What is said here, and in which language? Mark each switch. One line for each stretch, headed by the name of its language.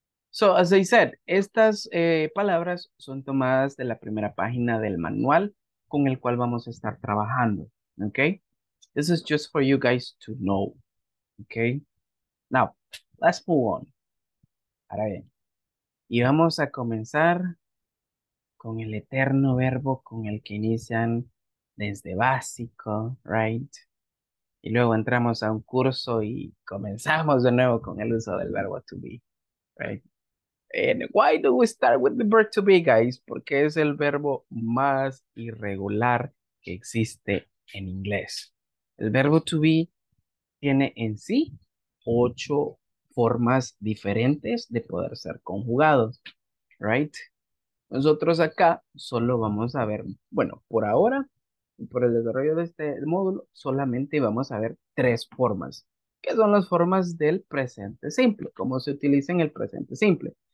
English: So, as I said,
Spanish: estas palabras son tomadas de la primera página del manual con el cual vamos a estar trabajando.
English: Okay? This is just for you guys to know. Okay? Now, let's move on.
Spanish: Ahora bien. Y vamos a comenzar con el eterno verbo con el que inician desde básico, right? Y luego entramos a un curso y comenzamos de nuevo con el uso del verbo to be, right?
English: And why do we start with the verb to be, guys?
Spanish: Porque es el verbo más irregular que existe en inglés. El verbo to be tiene en sí 8 formas diferentes de poder ser conjugados, right? Nosotros acá solo vamos a ver, bueno, por ahora, por el desarrollo de este módulo, solamente vamos a ver 3 formas, que son las formas del presente simple, cómo se utiliza en el presente simple.